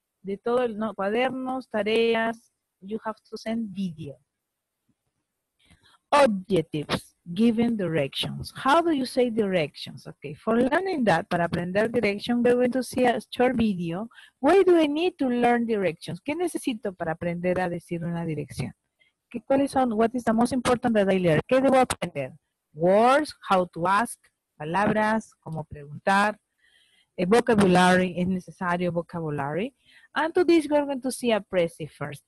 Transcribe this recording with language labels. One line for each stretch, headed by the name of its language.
Spanish: De todo el cuadernos, tareas,
English: you have to send video. Objectives, giving directions. How do you say directions? Okay, for learning that,
Spanish: para aprender direction,
English: we're going to see a short video. Why do I need to learn directions?
Spanish: ¿Qué necesito para aprender a decir una dirección? ¿Cuáles son?
English: What is the most important that I learn?
Spanish: ¿Qué debo aprender?
English: Words, how to ask,
Spanish: palabras, cómo preguntar.
English: A vocabulary,
Spanish: es necesario vocabulary.
English: And to this, we're going to see a prezi first.